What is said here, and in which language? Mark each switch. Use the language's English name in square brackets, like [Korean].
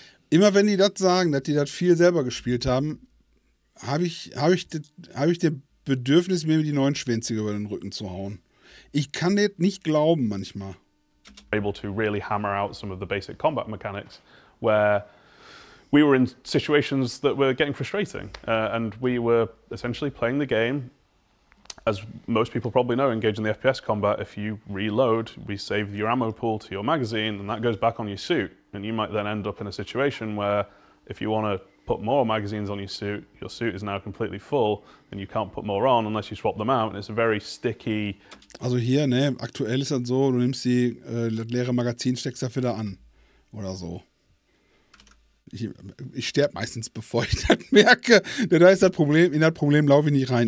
[German] Immer wenn die das sagen, dass die das viel selber gespielt haben, Habe ich das Bedürfnis, mir die neuen Schwänze über den Rücken zu hauen. Ich kann das nicht glauben manchmal. [English] Able to really hammer out some of the basic combat mechanics, where we were in situations that were getting frustrating, and we were essentially playing the game. As most people probably know, engaging the FPS combat, if you reload, we save your ammo pool to your magazine, and that goes back on your suit. And you might then end up in a situation where, if you want to put more magazines on your suit is now completely full and you can't put more on unless you swap them out, and it's a very sticky... [German] Also hier, ne, aktuell ist das so, du nimmst die leere Magazin, steckst dafür da an oder so. Ich sterbe meistens, bevor ich das merke. Da ist das Problem, in das Problem laufe ich nicht rein.